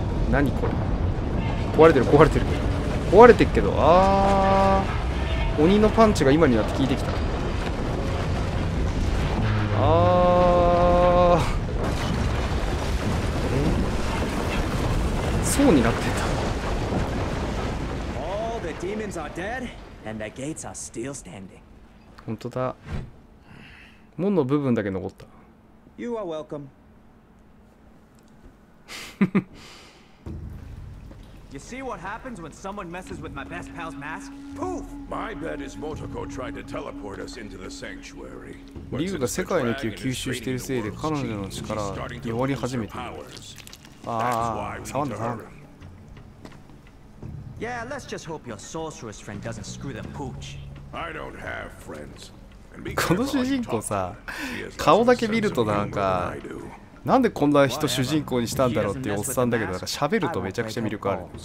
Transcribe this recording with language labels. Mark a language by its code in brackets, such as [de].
[ja] 何これ、壊れてる壊れてる壊れてるけど。あー、鬼のパンチが今になって効いてきた。あー、え、そうになってた。 [en] All the demons are dead and the gates are still standing. [ja] 本当だ、門の部分だけ残った。 [en] You are welcomeYou see what happens when someone messes with my best pal's mask? Poof! My bet is Motoko tried to teleport us into the sanctuary. [ja] リュウが世界の気を吸収しているせいで彼女の力が弱り始めている。ああ、触んだな。 [en] Yeah, let's just hope your sorceress friend doesn't screw the pooch. I don't have friends. [ja] この主人公さ、顔だけ見るとなんか。なんでこんな人主人公にしたんだろうっていうおっさんだけど、なんか喋るとめちゃくちゃ魅力ある。